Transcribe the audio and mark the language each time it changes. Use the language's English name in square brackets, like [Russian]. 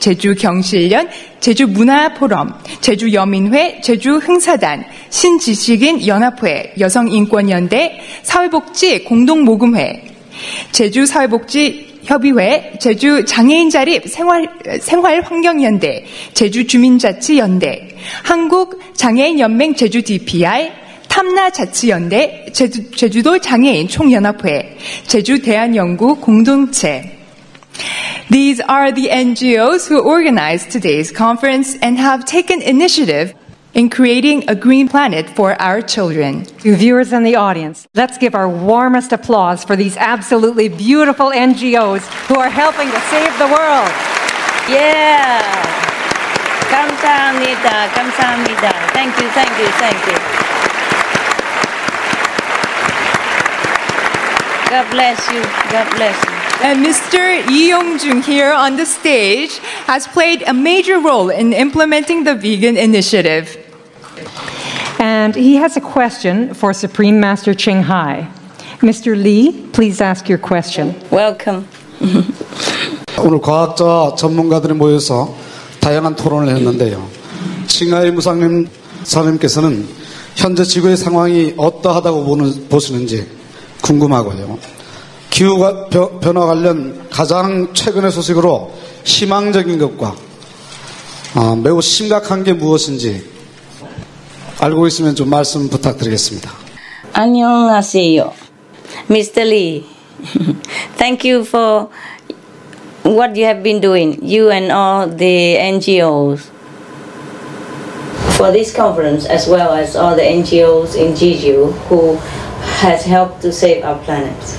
[Korean] 제주 경실련, 제주 문화 포럼, 제주 여민회, 제주 흥사단, 신지식인 연합회, 여성인권연대, 사회복지 공동모금회, 제주 사회복지 협의회, 제주 장애인 자립 생활환경연대, 제주 주민자치연대, 한국 장애인 연맹 제주 DPI, 탐나 자치연대, 제주도 장애인 총연합회, 제주 대한연구 공동체. [English] These are the NGOs who organized today's conference and have taken initiative in creating a green planet for our children. To viewers and the audience, let's give our warmest applause for these absolutely beautiful NGOs who are helping to save the world. [Korean] Yeah. 감사합니다. 감사합니다. [English] Thank you, thank you, thank you. God bless you. God bless you. And Mr. Lee Yong-jun here on the stage has played a major role in implementing the vegan initiative. And he has a question for Supreme Master Ching Hai. Mr. Lee, please ask your question. Welcome. [Korean] 오늘 과학자 전문가들이 모여서 다양한 토론을 했는데요. 칭하이 무상님 선생님께서는 현재 지구의 상황이 어떠하다고 보시는지 궁금하고요. 기후 변화 관련 가장 최근의 소식으로 희망적인 것과 매우 심각한 게 무엇인지 알고 있으면 좀 말씀 부탁드리겠습니다. 안녕하세요. Mr. [English] Lee, thank you for what you have been doing, you and all the NGOs, for this conference as well as all the NGOs in Jeju who has helped to save our planet.